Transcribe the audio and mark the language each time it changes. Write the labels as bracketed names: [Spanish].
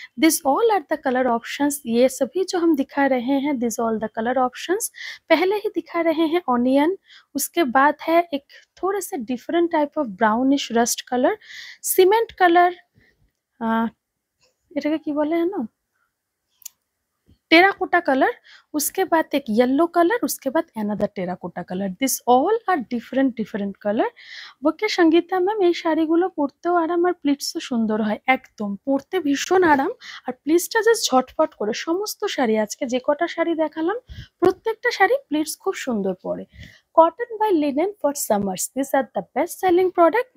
[English] this all are the colour options, [Hindi] ये सभी जो हम दिखा रहे हैं [English] this all the colour options, [Hindi] पहले ही दिखा रहे हैं ऑनियन, उसके बाद है एक थोड़े से different type of brownish rust colour, cement colour, की बोले है ना टेराकोटा कलर, उसके बाद एक येलो कलर, उसके बाद another terracotta colour. [English] This all are different different colour. [Hindi] Okay Sangeeta ma'am, [Bangla] এই শাড়িগুলো পরতেও আরাম আর প্লিটসও সুন্দর হয়, একদম পরতে ভীষণ আরাম আর প্লিটসটা জাস্ট ঝটপট করে। সমস্ত শাড়ি আজকে যে কটা শাড়ি দেখালাম প্রত্যেকটা শাড়ি প্লিটস খুব সুন্দর পরে। [English] Cotton by linen for summers. These are the best selling product.